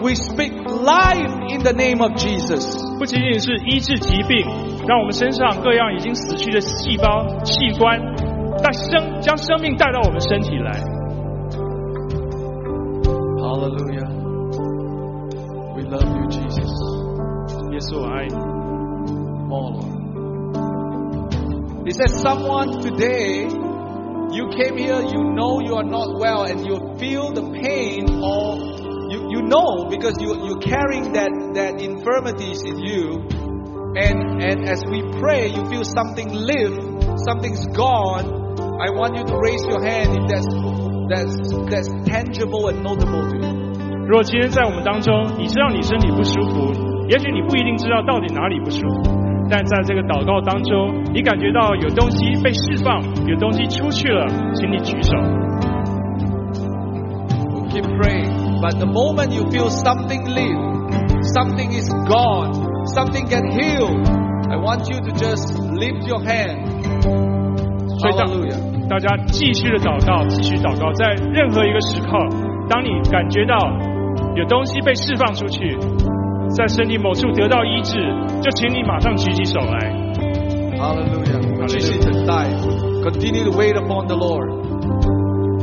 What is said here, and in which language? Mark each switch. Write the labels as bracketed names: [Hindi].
[English] We speak life in the name of Jesus. [Chinese] 不仅仅是医治疾病，让我们身上各样已经死去的细胞、器官，将生命带到我们身体来。 [English] Hallelujah. We love you, Jesus. [Chinese] 耶稣，我爱你。 [English] More. Is there someone today, you came here, you know you are not well, and you feel the pain, or you know, because you're carrying that infirmities in you, and as we pray, you feel something lived, something's gone, I want you to raise your hand if that's tangible and notable to you. [Chinese] 如果今天在我们当中，你知道你身体不舒服，也许你不一定知道到底哪里不舒服。但在这个祷告当中，你感觉到有东西被释放，有东西出去了，请你举手。 [English] We keep praying, but the moment you feel something live, something is gone, something get healed, I want you to just lift your hand. Hallelujah. [Chinese] 大家继续的祷告，继续祷告，在任何一个时刻，当你感觉到有东西被释放出去。在身体某处得到医治，就请你马上举起手来。 [English] Hallelujah！ [Chinese] 继续等待 [English] ，continue to wait upon the Lord，